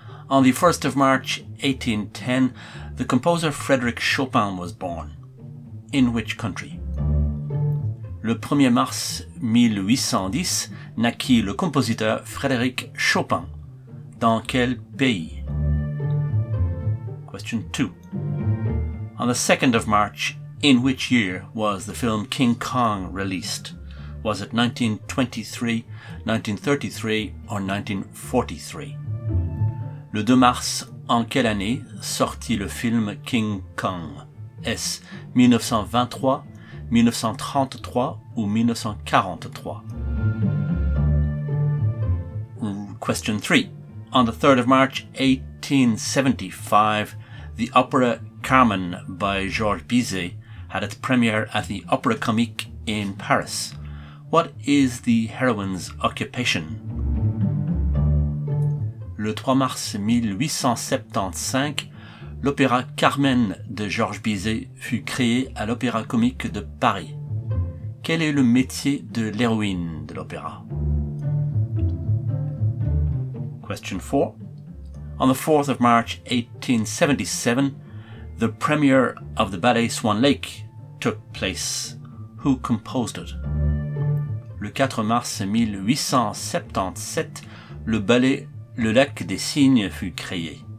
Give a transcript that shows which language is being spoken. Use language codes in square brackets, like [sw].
[en] On the 1st of March, 1810, the composer Frédéric Chopin was born. In which country? [fr] Le 1er mars 1810, naquit le compositeur Frédéric Chopin. Dans quel pays? Question 2. [en] On the 2nd of March, in which year was the film King Kong released? Was it 1923, 1933, or 1943? [fr] Le 2 mars, en quelle année sortit le film King Kong? Est-ce 1923, 1933 ou 1943? [en] Question 3. On the 3rd of March, 1875, the opera Carmen by Georges Bizet had its premiere at the Opéra Comique in Paris. What is the heroine's occupation? [fr] Le 3 mars 1875, l'opéra Carmen de Georges Bizet fut créé à l'Opéra Comique de Paris. Quel est le métier de l'héroïne de l'opéra? [en] Question 4. On the 4th of March 1877, the premiere of the ballet Swan Lake took place. Who composed it? [fr] Le 4 mars 1877, le ballet Le lac des cygnes fut créé.